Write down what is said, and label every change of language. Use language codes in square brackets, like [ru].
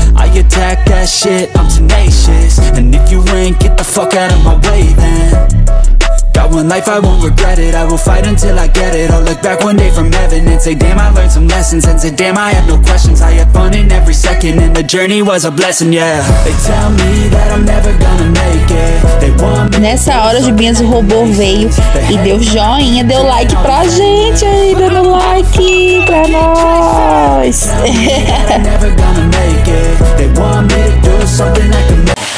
[en] I attack that shit, I'm tenacious. And if you ain't, get the fuck out of my way then. Got one life, I won't regret it. I will fight until I get it. I'll look back one day from heaven and say, damn, I learned some lessons. And say, damn, I have no questions. I had fun in every second, and the journey was a blessing, yeah. They tell me that I'm never gonna make it. They want me. [pt] Nessa hora, Jubinhas, o robô veio e deu joinha, deu like pra gente aí, dando like pra nós. [en] I'm never gonna make it. They want me to do something I can make.